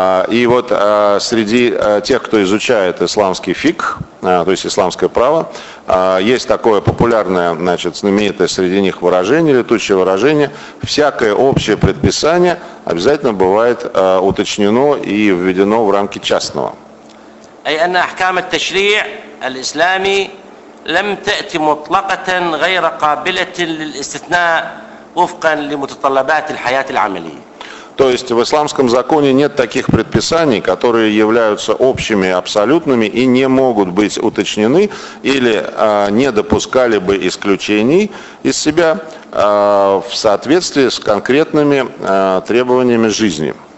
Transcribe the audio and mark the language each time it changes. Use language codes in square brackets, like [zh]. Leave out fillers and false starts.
[ru] И вот среди тех, кто изучает исламский фикх, то есть исламское право, есть такое популярное, значит, знаменитое среди них выражение, летучее выражение: всякое общее предписание обязательно бывает уточнено и введено в рамки частного. [ar] أي أن أحكام التشريع الإسلامي لم تأتي مطلقة غير قابلة للاستثناء وفقا لمتطلبات الحياة العملية. [ru] То есть в исламском законе нет таких предписаний, которые являются общими, абсолютными и не могут быть уточнены или не допускали бы исключений из себя в соответствии с конкретными требованиями жизни.